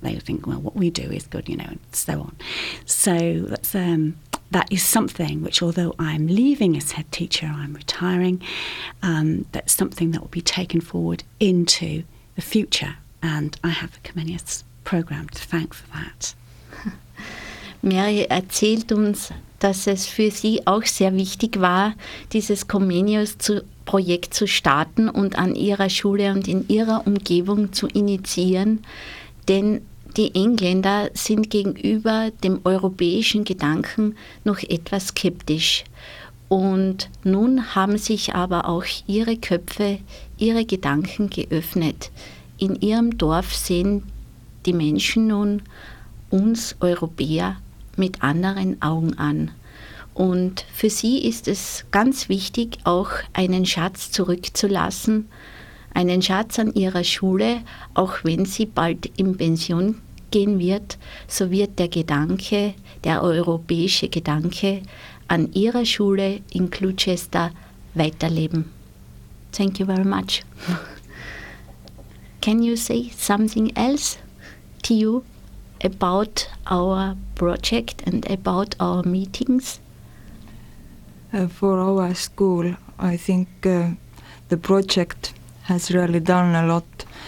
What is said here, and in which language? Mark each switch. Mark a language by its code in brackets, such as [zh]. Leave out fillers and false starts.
[en] They would think, well, what we do is good, you know, and so on. So that's that is something which, although I'm leaving as head teacher, I'm retiring, that's something that will be taken forward into the future, and I have the Comenius program to thank for that. [de] Mary erzählt uns, dass es für sie auch sehr wichtig war, dieses Comenius-Projekt zu starten und an ihrer Schule und in ihrer Umgebung zu initiieren. Denn die Engländer sind gegenüber dem europäischen Gedanken noch etwas skeptisch. Und nun haben sich aber auch ihre Köpfe, ihre Gedanken geöffnet. In ihrem Dorf sehen die Menschen nun uns Europäer mit anderen Augen an. Und für sie ist es ganz wichtig, auch einen Schatz zurückzulassen, einen Schatz an ihrer Schule, auch wenn sie bald in Pension gehen wird, so wird der Gedanke, der europäische Gedanke an ihrer Schule in Gloucester weiterleben. [en] Thank you very much. Can you say something else to you about our project and about our meetings? For our school, I think the project has really done a lot.